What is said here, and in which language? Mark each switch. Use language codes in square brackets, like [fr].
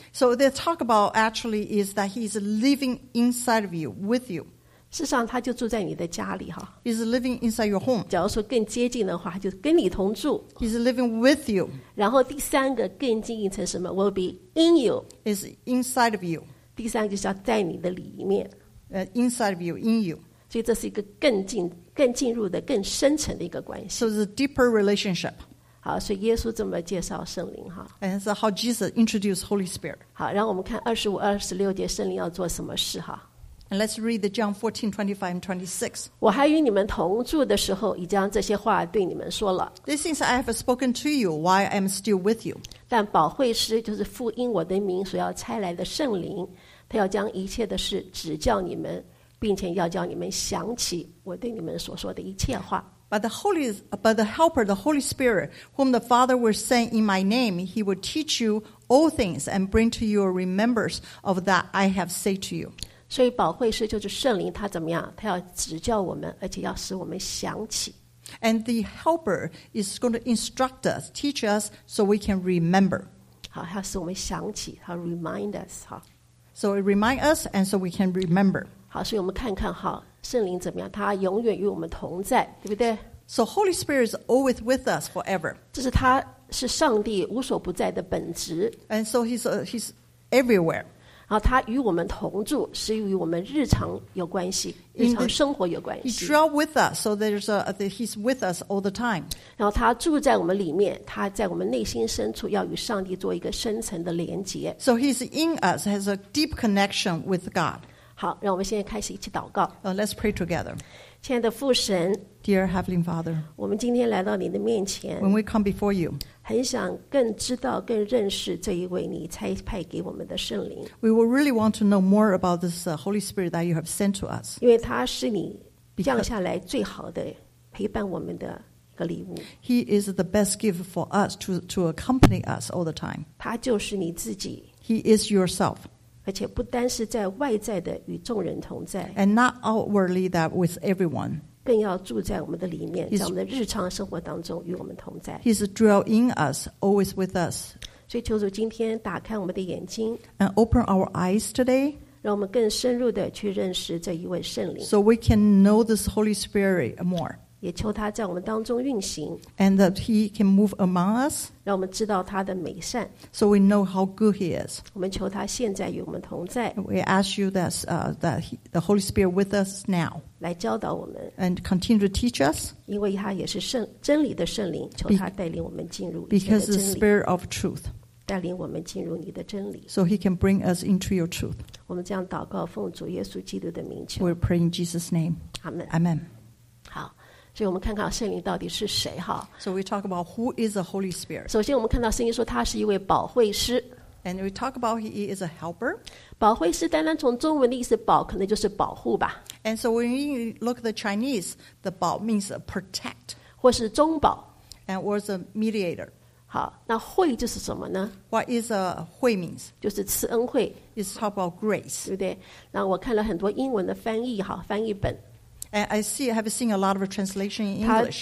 [en] So the talk about actually is that he's living inside of you, with you. [zh] 事实上他就住在你的家里。 [en] He's living inside your home. [zh] 假如说更接近的话，就跟你同住。 [en] He's living with you. [zh] 然后第三个更接近成什么， [en] will be in you. Is inside of you. [zh] 第三个就是要在你的里面。 [en] Inside of you, in you. [zh] 所以这是一个更进入的更深层的一个关系。 [en] So it's a deeper relationship. [zh] 好，所以耶稣这么介绍圣灵。 [en] And so how Jesus introduced Holy Spirit. [zh] 好，让我们看25-26节圣灵要做什么事。 [en] And let's read the John 14:25-26. [zh] 我还与你们同住的时候已将这些话对你们说了。 [en] These things I have spoken to you while I am still with you. [zh] 但保惠师就是父因我的名所要差来的圣灵，他要将一切的事指教你们，并且要叫你们想起我对你们所说的一切话。 [en] But the Helper, the Holy Spirit, whom the Father will send in my name, he will teach you all things and bring to you a remembrance of that I have said to you. [zh] 所以保惠师就是圣灵，他怎么样？他要指教我们，而且要使我们想起。 [en] And the Helper is going to instruct us, teach us, so we can remember. [zh] 好，他使我们想起，他 [en] remind us. [zh] 好， [en] So it reminds us, and so we can remember. [zh] 好，所以我们看看哈，圣灵怎么样？他永远与我们同在，对不对 [en] ？So Holy Spirit is always with us forever. [zh] 这是他是上帝无所不在的本质。 [en] And so he's everywhere. [zh] 然后他与我们同住，是与我们日常有关系，日常生活有关系。 [en] He dwells with us, so there's he's with us all the time. [zh] 然后他住在我们里面，他在我们内心深处要与上帝做一个深层的连接。 [en] So he's in us, has a deep connection with God. [zh] 好，让我们现在开始一起祷告。 [en] Let's pray together. [zh] 亲爱的父神， [en] Dear Heavenly Father, [zh] 我们今天来到你的面前， [en] When we come before you, [zh] 很想更知道更认识这一位你差派给我们的圣灵。 [en] We will really want to know more about this Holy Spirit that you have sent to us. [zh] 因为他是你降下来最好的陪伴我们的一个礼物。 [en] He is the best gift for us to accompany us all the time. [zh] 他就是你自己。 [en] He is yourself. [zh] 而且不单是在外在的与众人同在， [en] and not outwardly that with everyone, [zh] 更要住在我们的里面，在我们的日常生活当中与我们同在。 [en] He's dwelling in us, always with us. [zh] 所以求主今天打开我们的眼睛， [en] and open our eyes today, [zh] 让我们更深入的去认识这一位圣灵， [en] so we can know this Holy Spirit more. [zh] 也求他在我们当中运行， [en] and that he can move among us, [zh] 让我们知道他的美善， [en] so we know how good he is. [zh] 我们求他现在与我们同在， [en] we ask you that, the Holy Spirit with us now, [zh] 来教导我们， [en] and continue to teach us, [zh] 因为他也是真理的圣灵，求他带领我们进入， [en] because the Spirit of truth, [zh] 带领我们进入你的真理， [en] so he can bring us into your truth. [zh] 我们这样祷告奉主耶稣基督的名求， [en] we pray in Jesus' name. Amen. Amen. [zh] 所以我们看看圣灵到底是谁。 [en] So we talk about who is the Holy Spirit. [zh] 首先我们看到圣经说他是一位保惠师。 [en] And we talk about he is a helper. [zh] 保惠师单单从中文的意思保可能就是保护吧。 [en] And so when you look at the Chinese, the 保 means protect. [zh] 或是中保。 [en] And or the mediator. [zh] 好，那惠就是什么呢？ [en] What is a 惠 means? [zh] 就是赐恩惠。 [en] It's talk about grace. [zh] 对不对？那我看了很多英文的翻译，好，翻译本。 [en] And I have seen a lot of translation in English.